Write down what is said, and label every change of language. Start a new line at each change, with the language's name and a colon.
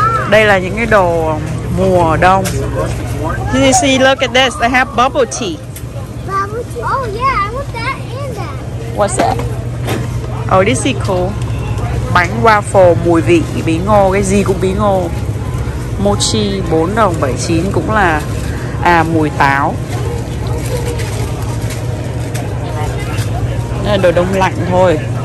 Vietnamese: Đây là những cái đồ mùa đông.
English: Did you see, look at this, they have bubble tea. Bubble tea, oh yeah, I want that and that. What's that? Oh, this is cool.
Vietnamese: Bánh waffle mùi vị, bí ngô, cái gì cũng bí ngô. Mochi 4 đồng 79 cũng là à mùi táo. Đây là đồ đông lạnh thôi.